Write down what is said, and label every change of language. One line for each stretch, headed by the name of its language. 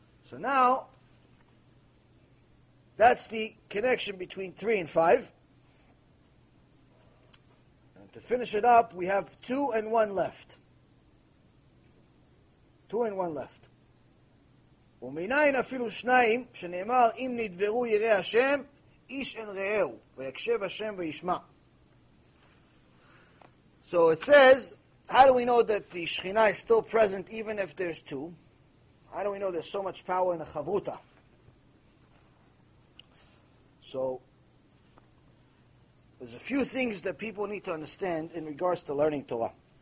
English: So now, that's the connection between 3 and 5. And to finish it up, we have 2 and 1 left. 2 and 1 left.
Hebrew: ומנין אפילו שניים, שנאמר, אם נדברו יראה השם, איש אל ראהו, ויקשב השם וישמע.
English: So it says, how do we know that the Shekhinah is still present even if there's two? How do we know there's so much power in a chavruta? So, there's a few things that people need to understand in regards to learning Torah.